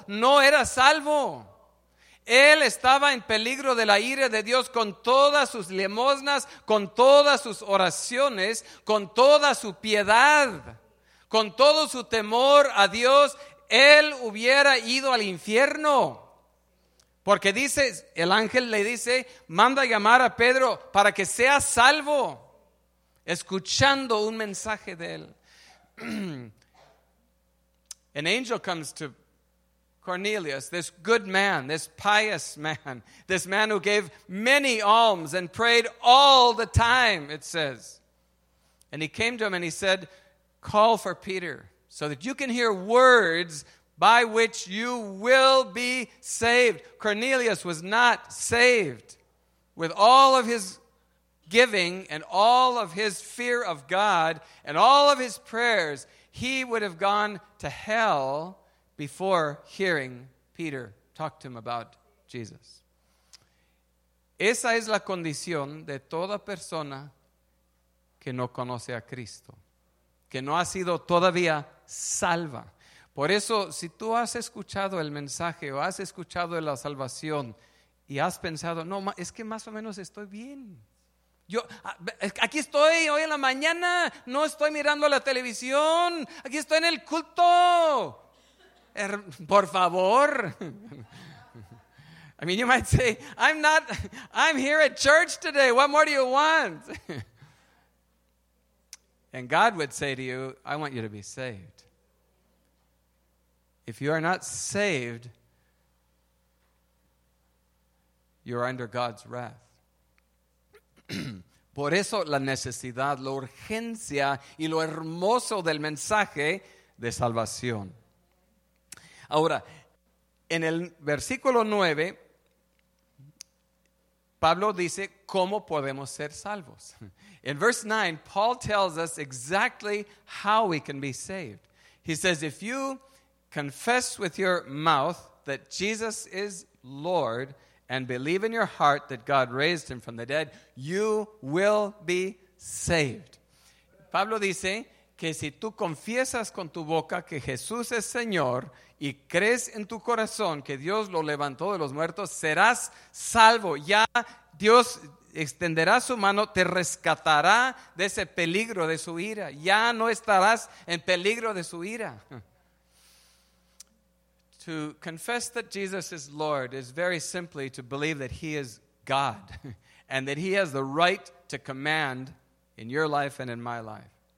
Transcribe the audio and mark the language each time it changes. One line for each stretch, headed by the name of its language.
Spanish: No era salvo. Él estaba en peligro de la ira de Dios con todas sus limosnas, con todas sus oraciones, con toda su piedad, con todo su temor a Dios. Él hubiera ido al infierno. Porque dice, el ángel le dice, manda llamar a Pedro para que sea salvo, escuchando un mensaje de él.
English: An angel comes to Cornelius, this good man, this pious man, this man who gave many alms and prayed all the time, it says. And he came to him and he said, call for Peter so that you can hear words by which you will be saved. Cornelius was not saved. With all of his giving and all of his fear of God and all of his prayers, he would have gone to hell before hearing Peter talk to him about Jesus.
Spanish: Esa es la condición de toda persona que no conoce a Cristo, que no ha sido todavía salva. Por eso, si tú has escuchado el mensaje o has escuchado la salvación y has pensado, no, es que más o menos estoy bien. Yo aquí estoy hoy en la mañana, no estoy mirando la televisión, aquí estoy en el culto. Por favor.
English: I mean, you might say, I'm here at church today. What more do you want? And God would say to you, I want you to be saved. If you are not saved, you are under God's wrath.
Spanish: Por eso la necesidad, la urgencia y lo hermoso del mensaje de salvación. Ahora, en el versículo 9, Pablo dice, ¿cómo podemos ser salvos?
English: In verse 9, Paul tells us exactly how we can be saved. He says, if you confess with your mouth that Jesus is Lord and believe in your heart that God raised him from the dead, you will be saved.
Spanish: Pablo dice que si tú confiesas con tu boca que Jesús es Señor y crees en tu corazón que Dios lo levantó de los muertos, serás salvo. Ya Dios extenderá su mano, te rescatará de ese peligro de su ira. Ya no estarás en peligro de su ira.
English: To confess that Jesus is Lord is very simply to believe that he is God and that he has the right to command in your life and in my life.